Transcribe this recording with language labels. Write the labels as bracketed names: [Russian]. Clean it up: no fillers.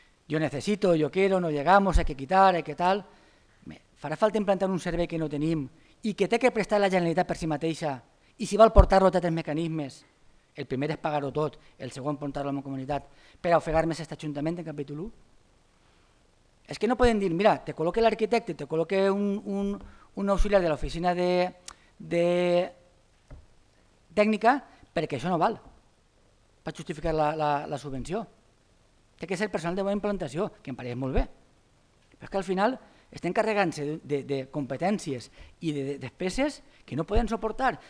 [Spanish] Jo necessito, jo quiero, no llegamos, hay que quitar, hay que tal... [Catalan] Farà falta implantar un servei que no tenim i que té que prestar la Generalitat per si mateixa, i si vol portar-lo té tres mecanismes. El primer és pagar-ho tot, el segon portar-lo a la meva comunitat per ofegar més aquest ajuntament en capítol 1. [Spanish] Es que no pueden decir, mira, te coloque el arquitecto, te coloque un auxiliar de la oficina de técnica, porque eso no vale para justificar la subvención. Tiene que ser personal de buena implantación, que me parece muy bien. Pero es que al final estén cargándose de competencias y de despeses que no pueden soportar.